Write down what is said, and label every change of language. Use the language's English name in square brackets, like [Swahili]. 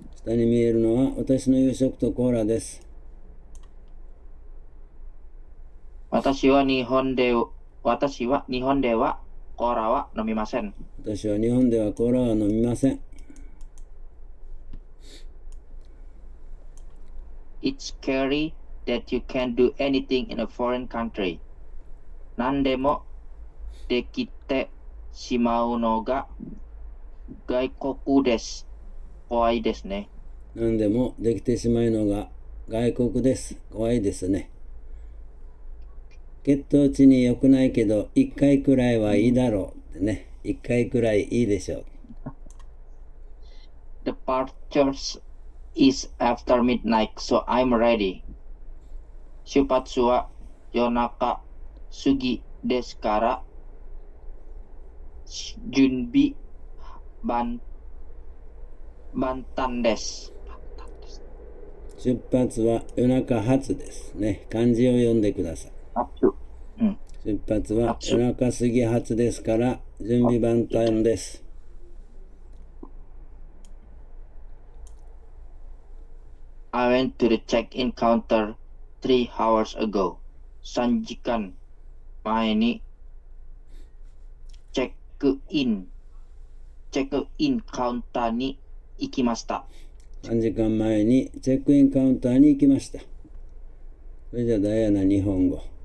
[Japanese] 下に見えるのは私の夕食とコーラです。私は日本ではコーラは飲みません。私は日本ではコーラは飲みません。 [English] It's scary that you can do anything in a foreign country. [Japanese] 何でもできてしまうのが外国です。怖いですね。何でもできてしまうのが外国です。怖いですね。血糖値に良くないけど、一回くらいはいいだろうってね。一回くらいいいでしょう。 [English] Departure is after midnight, so I'm ready. [Japanese] 出発は夜中過ぎですから、準備万端です。出発は夜中発ですね。漢字を読んでください。出発は夜中過ぎ発ですから準備万端です。 [English] I went to the check-in counter 3 hours ago. [Japanese] 3時間前にチェックインカウンターに行きました。 3時間前にチェックインカウンターに行きました。それじゃあダイアナ日本語。